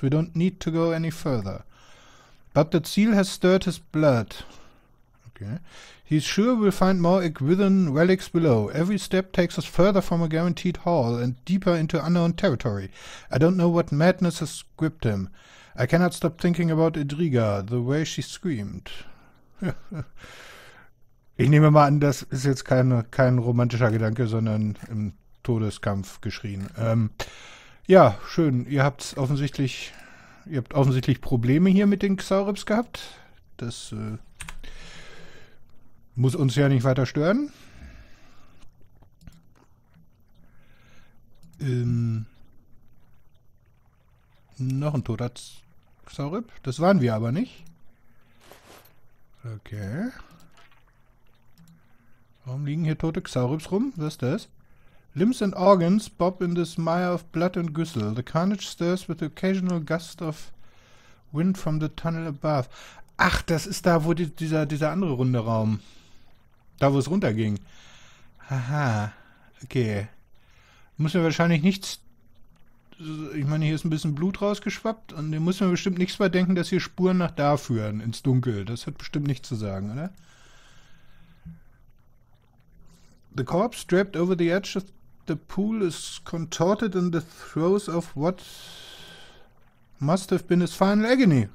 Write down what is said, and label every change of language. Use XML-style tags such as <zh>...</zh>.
<en>We don't need to go any further. But the Ziel has stirred his blood. Okay. He's sure we'll find more Equithan relics below. Every step takes us further from a guaranteed haul and deeper into unknown territory. I don't know what madness has gripped him. I cannot stop thinking about Idriga, the way she screamed.</en> <de>Ich nehme mal an, das ist jetzt kein romantischer Gedanke, sondern im Todeskampf geschrien. Ja, schön. Ihr habt offensichtlich Probleme hier mit den Xaurips gehabt. Das muss uns ja nicht weiter stören. Noch ein toter Xaurip. Das waren wir aber nicht. Okay. Warum liegen hier tote Xaurips rum? Was ist das?</de> <en>Limbs and organs bob in this mire of blood and gristle. The carnage stirs with the occasional gust of wind from the tunnel above.</en> <de>Ach, das ist da, wo dieser andere runde Raum. Da, wo es runterging. Aha. Okay. Muss mir wahrscheinlich nichts... Ich meine, hier ist ein bisschen Blut rausgeschwappt. Und hier muss mir bestimmt nichts mehr denken, dass hier Spuren nach da führen, ins Dunkel. Das hat bestimmt nichts zu sagen, oder?</de> <en>The corpse strapped over the edge of the pool is contorted in the throes of what must have been his final agony.</en>